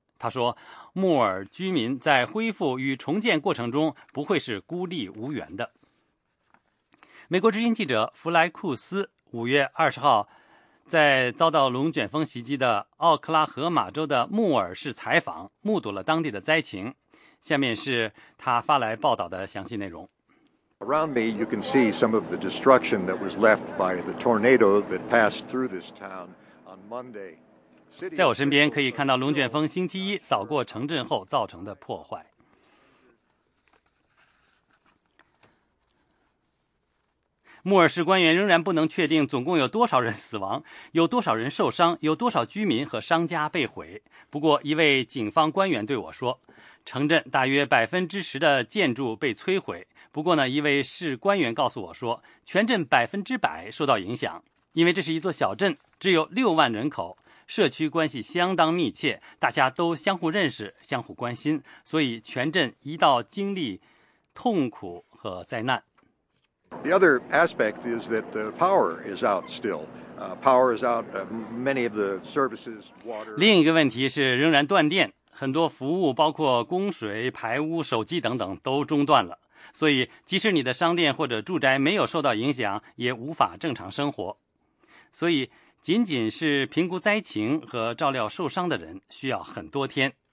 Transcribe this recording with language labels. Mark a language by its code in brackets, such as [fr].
[zh] 他说，穆尔居民在恢复与重建过程中不会是孤立无援的。美国之音记者弗莱库斯5月20号在遭到龙卷风袭击的奥克拉荷马州的穆尔市采访，目睹了当地的灾情。下面是他发来报道的详细内容。 [en] Around me, you can see some of the destruction that was left by the tornado that passed through this town on Monday. [zh] 在我身边可以看到龙卷风星期一扫过城镇后造成的破坏。穆尔市官员仍然不能确定总共有多少人死亡，有多少人受伤，有多少居民和商家被毁。不过，一位警方官员对我说，城镇大约10%的建筑被摧毁。不过呢，一位市官员告诉我说，全镇100%受到影响，因为这是一座小镇，只有6万人口，社区关系相当密切，大家都相互认识，相互关心，所以全镇一道经历痛苦和灾难。 [en] The other aspect is that the power is out still. Power is out. Many of the services, water. [zh] 另一个问题是仍然断电，很多服务包括供水、排污、手机等等都中断了。所以即使你的商店或者住宅没有受到影响，也无法正常生活。所以仅仅是评估灾情和照料受伤的人需要很多天。